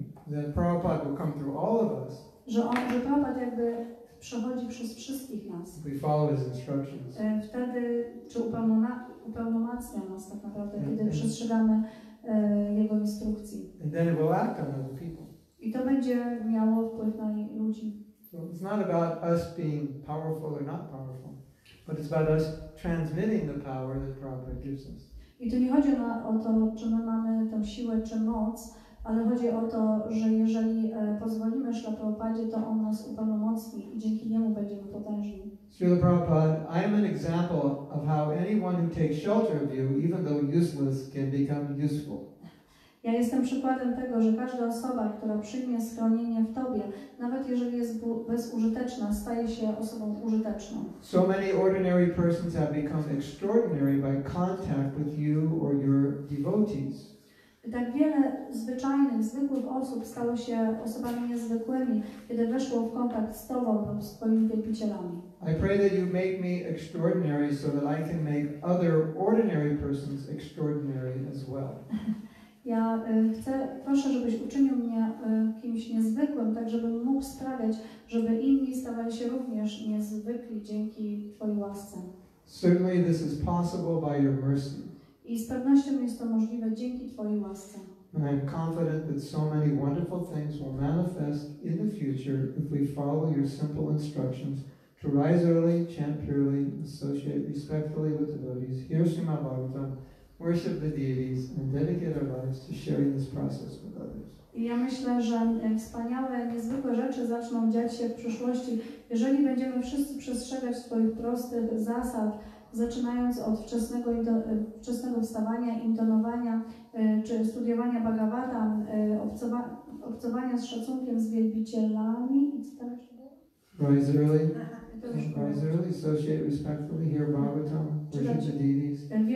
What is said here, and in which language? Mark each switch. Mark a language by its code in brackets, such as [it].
[en] That Prabhupada will come through all of us. [pl] Że Prabhupada jakby przechodzi przez wszystkich nas. [en] We follow his instructions. [pl] Wtedy, czy upełnomacnia nas tak naprawdę, kiedy przestrzegamy jego instrukcji. [en] And then it will act on other people. [pl] I to będzie miało wpływ na ludzi. [en] So it's not about us being powerful or not powerful, but it's about us transmitting the power that Prabhupada gives us. [pl] I tu nie chodzi o to, czy my mamy tę siłę, czy moc, ale chodzi o to, że jeżeli pozwolimy Śla Prabhupadzie, to on nas upełnomocni i dzięki niemu będziemy potężni. [en] Śla Prabhupada, I am an example of how anyone who takes shelter of you, even though useless, can become useful. [pl] Ja jestem przykładem tego, że każda osoba, która przyjmie schronienie w Tobie, nawet jeżeli jest bezużyteczna, staje się osobą użyteczną. [en] So many ordinary persons have become extraordinary by contact with you or your devotees. [pl] Tak wiele zwyczajnych, zwykłych osób stało się osobami niezwykłymi, kiedy weszło w kontakt z Tobą lub z Twoimi wielbicielami. [en] I pray that you make me extraordinary so that I can make other ordinary persons extraordinary as well. [pl] Ja chcę, proszę, żebyś uczynił mnie kimś niezwykłym, tak żebym mógł sprawiać, żeby inni stawali się również niezwykli dzięki Twojej łasce. [en] Certainly this is possible by your mercy. [pl] I z pewnością jest to możliwe dzięki Twojej łasce. [en] And I'm confident that so many wonderful things will manifest in the future if we follow your simple instructions to rise early, chant purely, associate respectfully with devotees, hear Srimad Bhagavatam, worship the deities and dedicate our lives to sharing this process with others. [pl] I ja myślę, że wspaniałe, niezwykłe rzeczy zaczną dziać się w przyszłości, jeżeli będziemy wszyscy przestrzegać swoich prostych zasad, zaczynając od wczesnego wstawania, intonowania, czy studiowania Bhagavata, obcowania z szacunkiem z wielbicielami i [en] rise early. Rise early, associate respectfully, hear Bhagavatam, worship the deities,